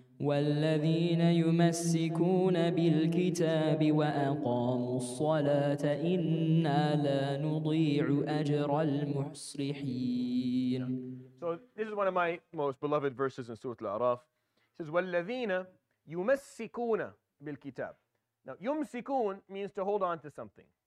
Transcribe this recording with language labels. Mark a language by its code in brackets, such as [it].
[ar] والذين يمسكون بالكتاب وأقاموا الصلاة إنا لا نضيع أجر المصلحين. [en] So this is one of my most beloved verses in Surah Al-A'raf. It says, [ar] والذين يمسكون بالكتاب. [en] Now يمسكون means to hold on to something.